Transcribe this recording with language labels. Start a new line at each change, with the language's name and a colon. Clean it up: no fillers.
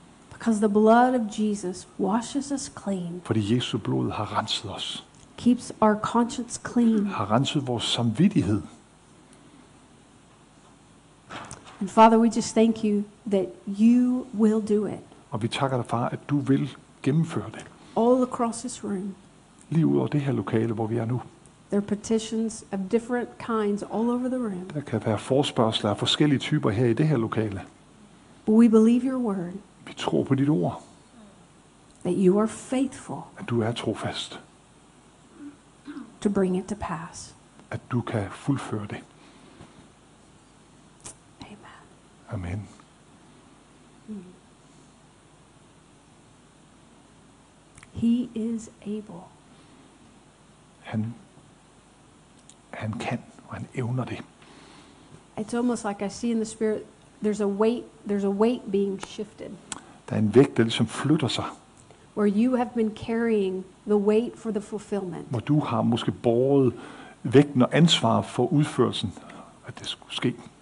English: Because the blood of Jesus washes us clean.
Danish: Fordi Jesu blod har renset os.
English: Keeps our conscience clean.
Danish: Har renset vores samvittighed.
English: And Father, we just thank you that you will do it.
Danish: Og vi takker dig far, at du vil gennemføre det.
English: All across this room.
Danish: Lige ud over det her lokale, hvor vi er nu.
English: There are petitions of different kinds all over the room.
Danish: Der kan være forspørgsler af forskellige typer her i det her lokale.
English: But we believe your word.
Danish: Vi tror på dit ord.
English: That you are faithful.
Danish: At du er trofast.
English: To bring it to pass.
Danish: At du kan fuldføre det.
English: Amen.
Danish: Amen.
English: He is able.
Danish: Han kan, og han evner det.
English: It's almost like I see in the spirit there's a weight being shifted.
Danish: Der er en vægt, der ligesom flytter sig.
English: Where you have been carrying the weight for the fulfillment.
Danish: Hvor du har måske båret vægten og ansvaret for udførelsen, at det skulle ske.